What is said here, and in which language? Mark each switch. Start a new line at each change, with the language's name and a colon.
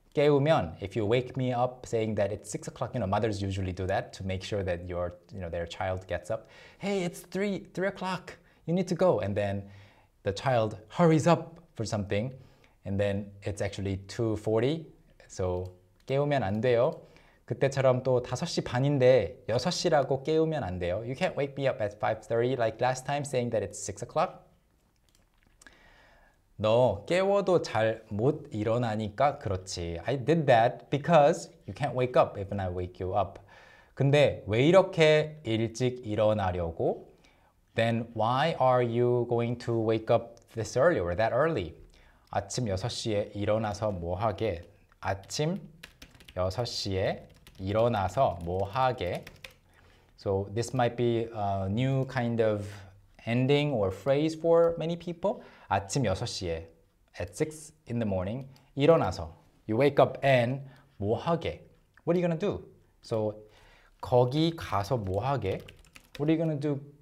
English: 깨우면, if you wake me up saying that it's 6 o'clock, you know, mothers usually do that to make sure that your, you know, their child gets up. Hey, it's 3 o'clock, you need to go. And then the child hurries up for something, and then it's actually 2:40. So
Korean: 깨우면 안 돼요. 그때처럼 또 5시 반인데 6시라고 깨우면 안 돼요.
English: You can't wake me up at 5:30 like last time saying that it's 6 o'clock.
Korean: 너 깨워도 잘 못 일어나니까 그렇지.
English: I did that because you can't wake up if I wake you up.
Korean: 근데 왜 이렇게 일찍 일어나려고?
English: Then why are you going to wake up this early or that early?
Korean: 아침 6시에 일어나서 뭐 하게? 아침 6시에 일어나서 뭐 하게?
English: So this might be a new kind of ending or phrase for many people.
Korean: 아침 6시에,
English: at 6 in the morning,
Korean: 일어나서,
English: you wake up and
Korean: 뭐 하게?
English: What are you gonna do? So
Korean: 거기 가서 뭐 하게?
English: What are you gonna do?